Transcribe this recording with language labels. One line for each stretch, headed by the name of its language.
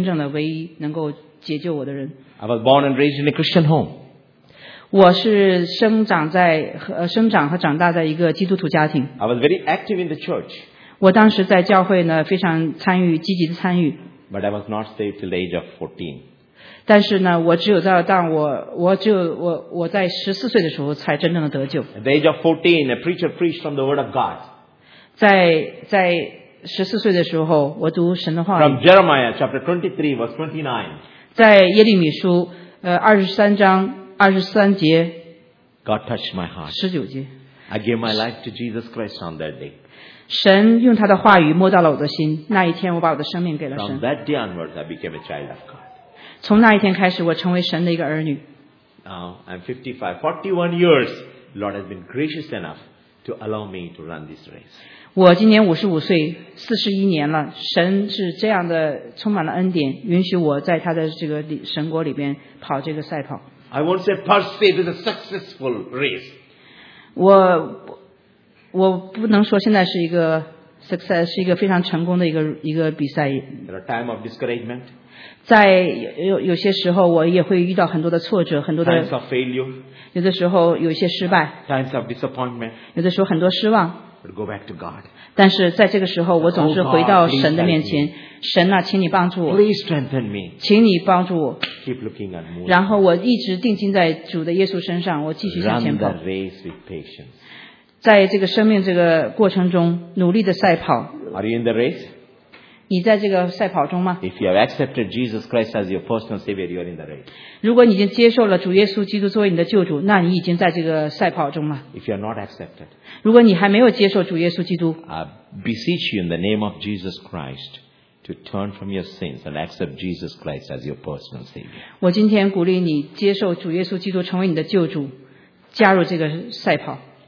Chinese: 在你生命中的某一刻，你有没有真的是向神说，你向神忏悔你的罪，说主耶稣，你是我唯一的救主，我向你忏悔我的罪，只有你是一个真正的唯一能够解救我的人。
English: I was born and raised in a Christian home.
Chinese: 我是生长和长大在一个基督徒家庭。
English: I was very active in the church.
Chinese: 我当时在教会呢，非常参与，积极的参与。
English: But I was not saved till the age of 14.
Chinese: 但是呢，我只有在14岁的时候才真正的得救。
English: At the age of 14, a preacher preached from the Word of God.
Chinese: 在14岁的时候，我读神的话语。
English: From Jeremiah chapter 23, verse 29.
Chinese: 在耶利米书23章23节。
English: God touched my heart.
Chinese: 19节。
English: I gave my life to Jesus Christ on that day.
Chinese: 神用他的话语摸到了我的心。那一天，我把我的生命给了神。
English: From that day onwards, I became a child of God.
Chinese: 从那一天开始，我成为神的一个儿女。
English: Now I'm 55, 41 years. Lord has been gracious enough to allow me to run this race.
Chinese: 我今年55岁，41年了。神是这样的，充满了恩典，允许我在他的这个神国里边跑这个赛跑。
English: I won't say per se it is a successful race.
Chinese: 我不能说现在是一个 success， 是一个非常成功的一个比赛。
English: There are time of discouragement.
Chinese: 在有些时候，我也会遇到很多的挫折，很多的
English: times of failure.
Chinese: 有的时候有一些失败
English: times of disappointment.
Chinese: 有的时候很多失望
English: but go back to God.
Chinese: 但是在这个时候，我总是回到神的面前。神啊，请你帮助我。
English: Please strengthen me.
Chinese: 请你帮助我。
English: Keep looking at more.
Chinese: 然后我一直定睛在主的耶稣身上，我继续向前跑。
English: Run the race with patience.
Chinese: 在这个生命这个过程中努力的赛跑。
English: Are you in the race?
Chinese: 你在这个赛跑中吗？
English: If you have accepted Jesus Christ as your personal Savior, you are in the race.
Chinese: 如果你已经接受了主耶稣基督作为你的救主，那你已经在这个赛跑中了。
English: If you are not accepted,
Chinese: 如果你还没有接受主耶稣基督，
English: I beseech you in the name of Jesus Christ to turn from your sins and accept Jesus Christ as your personal Savior.
Chinese: 我今天鼓励你接受主耶稣基督成为你的救主，加入这个赛跑。